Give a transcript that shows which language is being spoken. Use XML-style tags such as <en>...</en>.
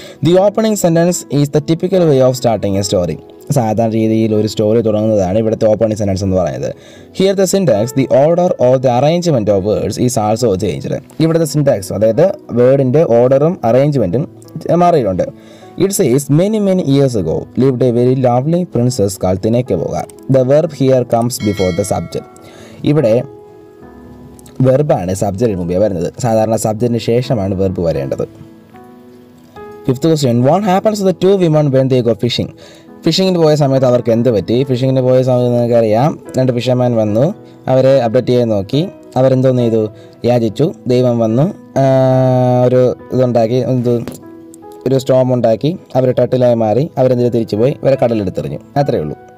<en>The opening sentence is the typical way of starting a story.</en> <ml>സാധാരണ രീതിയിൽ ഒരു story തുടങ്ങുന്നതാണ് ഇവിടുത്തെ ഓപ്പണിംഗ് സെൻറ്റൻസ് എന്ന് പറയുന്നത്.</ml> <en>Here the syntax the order of the arrangement of words is also changed.</en> <ml>ഇവിടുത്തെ syntax അതായത് വേർഡിൻ്റെ ഓർഡറും അറേഞ്ച്മെൻറ്റും മാറിയിട്ടുണ്ട്.</ml> <en>It says, many, many years ago, lived a very lovely princess called Tinekaboga. The verb here comes before the subject.</en> <ml>ഇവിടെ വെർബാണ് സബ്ജക്റ്റിന് മുമ്പേ വരുന്നത്. സാധാരണ സബ്ജക്റ്റിന് ശേഷമാണ് verb വരേണ്ടത്.</ml> <en>Fifth question, what happens to the two women when they go fishing.</en> <ml>ഫിഷിങ്ങിന് പോയ സമയത്ത് അവർക്ക് എന്ത് പറ്റി? ഫിഷിങ്ങിന് പോയ സമയത്ത് നിങ്ങൾക്കറിയാം, രണ്ട് ഫിഷർമാൻ വന്നു, അവരെ അപ്ഡേറ്റ് ചെയ്യാൻ നോക്കി, അവരെന്തോ ചെയ്തു, യാചിച്ചു, ദൈവം വന്നു, ഒരു ഇതുണ്ടാക്കി, എന്ത് ഒരു സ്റ്റോം ഉണ്ടാക്കി, അവർ ടട്ടിലായി മാറി, അവരെന്തിനു തിരിച്ചു പോയി, അവരെ കടലെടുത്തെറിഞ്ഞു, അത്രയേ ഉള്ളൂ.</ml>